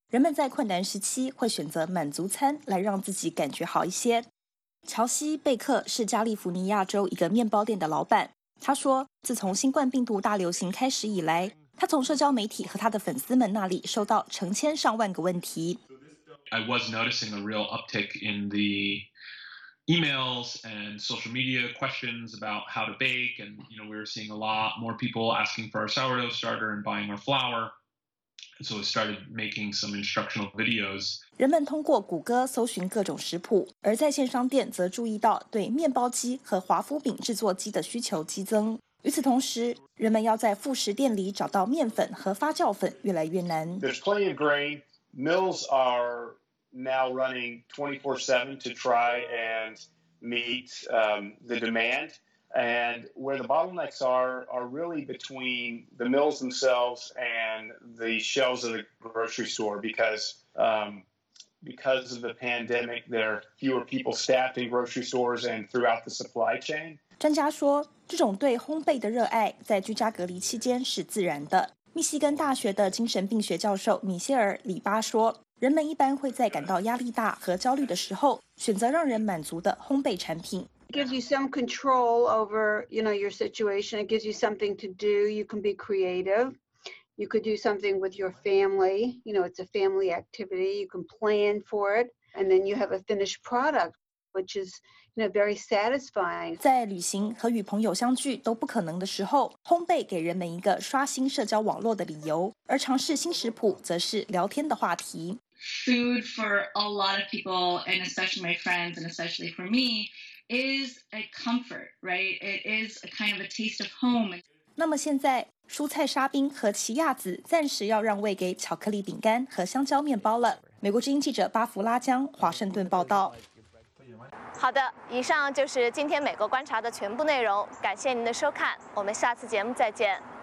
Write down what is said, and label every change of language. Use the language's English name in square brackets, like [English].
[Chinese] 人们在困难时期会选择满足餐来让自己感觉好一些。乔西·贝克是加利福尼亚州一个面包店的老板。他说，自从新冠病毒大流行开始以来，他从社交媒体和他的粉丝们那里收到成千上万个问题。 [English] I was noticing a real uptick in the emails and social media questions about how to bake. And, you know, we were seeing a lot more people asking for our sourdough starter and buying our flour. And so we started making some instructional videos. [Chinese] 人们通过谷歌搜寻各种食谱，而在线商店则注意到对面包机和华夫饼制作机的需求激增。与此同时，人们要在副食店里找到面粉和发酵粉越来越难。 [English] There's plenty of grain. Mills are now running 24/7 to try and meet the demand. And where the bottlenecks are really between the mills themselves and the shelves of the grocery store because of the pandemic, there are fewer people staffed in grocery stores and throughout the supply chain. [Chinese] 专家说，这种对烘焙的热爱在居家隔离期间是自然的。密西根大学的精神病学教授米歇尔·里巴说，人们一般会在感到压力大和焦虑的时候，选择让人满足的烘焙产品。 [English] It gives you some control over, you know, your situation. It gives you something to do. You can be creative. You could do something with your family. You know, it's a family activity. You can plan for it. And then you have a finished product, which is, you know, very satisfying. [Chinese] 在旅行和与朋友相聚都不可能的时候，烘焙给人们一个刷新社交网络的理由，而尝试新食谱则是聊天的话题。 [English] Food for a lot of people, and especially my friends, and especially for me,is a comfort, right? It is a kind of a taste of home. [Chinese] 那么现在，蔬菜沙冰和奇亚籽暂时要让位给巧克力饼干和香蕉面包了。美国之音记者巴福拉江，华盛顿报道。好的，以上就是今天美国观察的全部内容，感谢您的收看，我们下次节目再见。